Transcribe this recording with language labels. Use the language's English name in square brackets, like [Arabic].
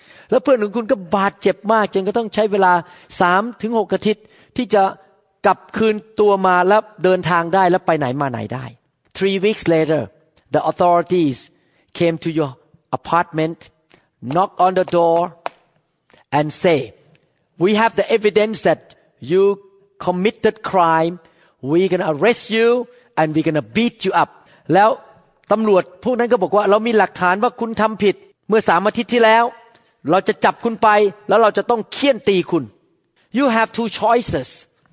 [Thai] และเพื่อนของคุณก็บาดเจ็บมากจนก็ต้องใช้เวลา3 to 6 อาทิตย์ที่จะกลับคืนตัวมาและเดินทางได้และไปไหนมาไหนได้ [English] 3 weeks later, the authorities came to your apartment, knock on the door, and say, "We have the evidence that you." Committed crime, we're gonna arrest you and we're gonna beat you up. [Thai] แล้วตำรวจพวกนั้นก็บอกว่าเรามีหลักฐานว่าคุณทำผิดเมื่อ3 อาทิตย์ที่แล้ว เราจะจับคุณไปแล้วเราจะต้องเคี่ยนตีคุณ [English] You have two choices.